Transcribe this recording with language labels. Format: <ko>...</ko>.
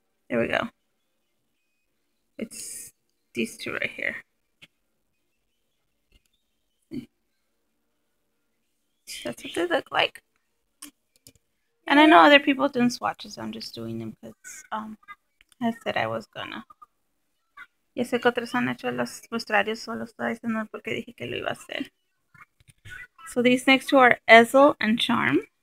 <en>There we go. It's these two right here. That's what they look like. And I know other people doing swatches. I'm just doing them because I said I was gonna.</en> <es>Ya sé que otros han hecho los muestrarios, solo estoy diciendo porque dije que lo iba a hacer.</es> <en>So these next two are Ezel and Charm.</en>